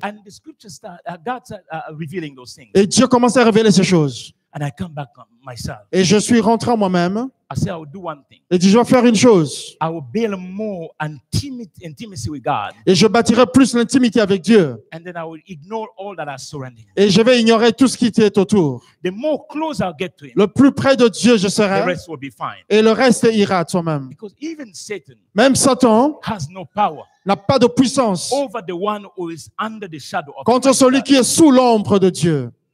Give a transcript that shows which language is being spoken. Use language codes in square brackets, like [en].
[en] and the scriptures start, God's revealing those things. [fr] Et Dieu commence à révéler ces choses. [en] And I come back myself. [fr] Et je suis rentré en moi-même. [en] I say I will do one thing. [fr] Et je vais faire une chose. [en] I will build more intimacy with God. [fr] Et je bâtirai plus l'intimité avec Dieu. [en] And then I will ignore all that are surrounding. [fr] Et je vais ignorer tout ce qui est autour. [en] The more close I get to him, [fr] le plus près de Dieu je serai. [en] The rest will be fine. [fr] Et le reste ira à toi-même. [en] Because even Satan, [fr] même Satan [en] has no power [fr] n'a pas de puissance [en] over the one who is under the shadow of [fr] contre celui qui est sous l'ombre de Dieu.